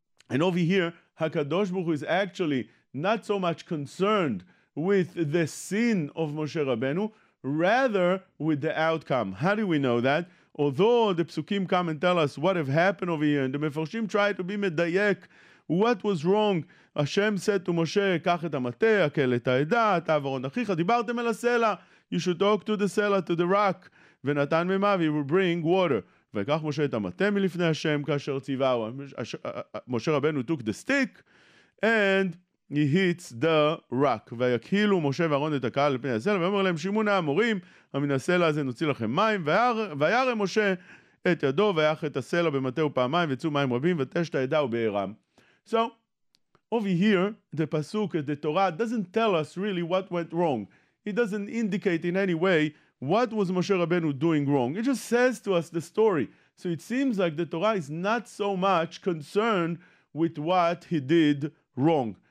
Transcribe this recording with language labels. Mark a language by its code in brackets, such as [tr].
[en] And over here, HaKadosh Baruch Hu is actually not so much concerned with the sin of Moshe Rabbeinu, rather with the outcome. How do we know that? Although the Psukim come and tell us what have happened over here, and the Mefarshim try to be medayek, what was wrong? Hashem said to Moshe, [he] קח את המטה, הקל את העדה, תעב ארון אחיך, דיברתם אל הסלע. [en] You should talk to the cell, to the rock. [he] ונתן ממיו, [en] he will bring water. [he] וקח משה את המטה מלפני השם, כאשר ציווהו. [en] משה רבנו took the stick, and he hits the rock. [he] ויקהילו משה וארון את הקהל לפני הסלע, ואומר להם, שימו נא המורים, המן הסלע הזה נוציא לכם מים, וירא משה את ידו, ויח את הסלע במטהו פעמיים, ויצאו מים רבים, ותשת העדה ובערם. [en] So, over here, the Pasuk, the Torah, doesn't tell us really what went wrong. It doesn't indicate in any way what was Moshe Rabbeinu doing wrong. It just says to us the story. So it seems like the Torah is not so much concerned with what he did wrong.